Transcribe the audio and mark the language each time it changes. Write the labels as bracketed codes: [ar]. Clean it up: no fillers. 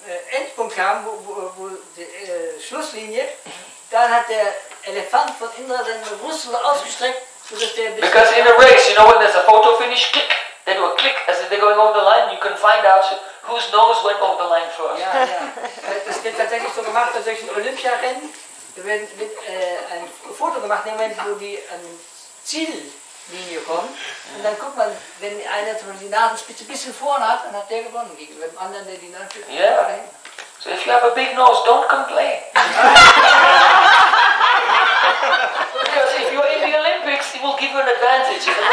[de] Endpunkt kam, wo die Schlusslinie, dann hat der Elefant von Indra seinen Rüssel ausgestreckt, so dass der. [en] Because in a race, you know, when there's a photo finish, click. They do a click as if they're going over the line. You can find out whose nose went over the line first. [de] Ja. Das wird tatsächlich so gemacht bei solchen Olympiarennen. Da wird mit ein Foto gemacht, im Moment, wo die an die Ziellinie kommen. Und dann guckt man, wenn einer zum Beispiel die Nasenspitze ein bisschen vorne hat, dann hat der gewonnen gegenüber dem anderen, der die Nasenspitze vorne hat. [en] Yeah. So if you have a big nose, don't complain. Because if you're in the Olympics, it will give you an advantage.